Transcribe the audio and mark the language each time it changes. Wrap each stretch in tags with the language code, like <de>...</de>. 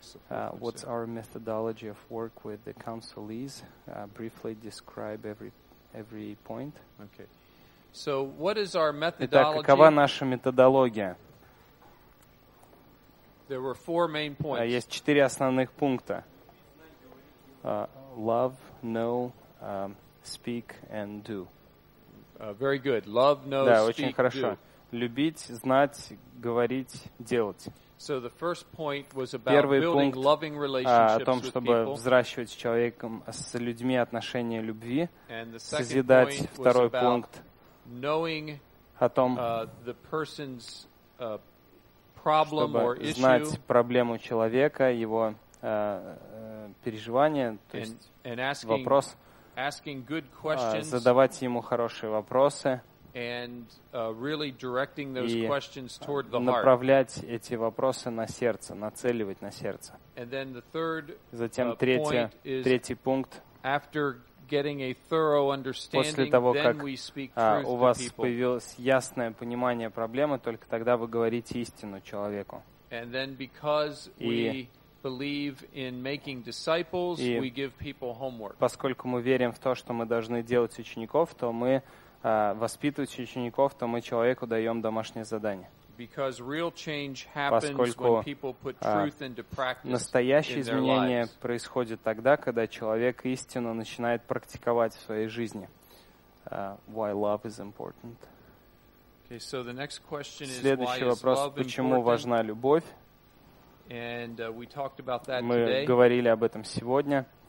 <en>What's our methodology of work with the counselees? Briefly describe every point. Okay. So what is our methodology?</en> <ru>Итак, какова наша методология?</ru> <en>There were four main points.</en> <ru>Есть четыре основных пункта.</ru> <en>Love, know, speak and do. Very good. Love, know,</en> <ru>да,</ru> <en>speak,</en> <ru>очень хорошо.</ru> <en>Do.</en> <ru>Любить, знать, говорить, делать.</ru> <en>So the first point was about building loving relationships with people.</en> <ru>О том, чтобы взращивать с человеком, с людьми отношения любви.</ru> <en>And the second point was about knowing the person's problem or issue,</en> <ru>знать проблему человека, его переживания, то есть вопрос,</ru> <en>asking good questions,</en> <ru>задавать ему хорошие вопросы</ru> <en>and really directing those questions toward the heart,</en> <ru>направлять эти вопросы на сердце, нацеливать на сердце.</ru> <en>And then the third</en> <ru>третий пункт</ru> <en>after getting a thorough understanding,</en> <ru>после того, как</ru> <en>then we speak truth</en> <ru>у вас появилось ясное понимание проблемы, только тогда вы говорите истину человеку.</ru> <en>And then because we believe in making disciples, we give people homework.</en> <ru>Поскольку мы верим в то, что мы должны делать учеников, то мы воспитывать учеников, то мы человеку даем домашнее задание.</ru> <en>Because real change happens when people put truth into practice in their lives.</en> <ru>Настоящее изменение происходит тогда, когда человек истину начинает практиковать в своей жизни.</ru> <en>Why love is important. Okay.</en> <ru>Следующий вопрос, почему важна любовь? Мы говорили об этом сегодня.</ru>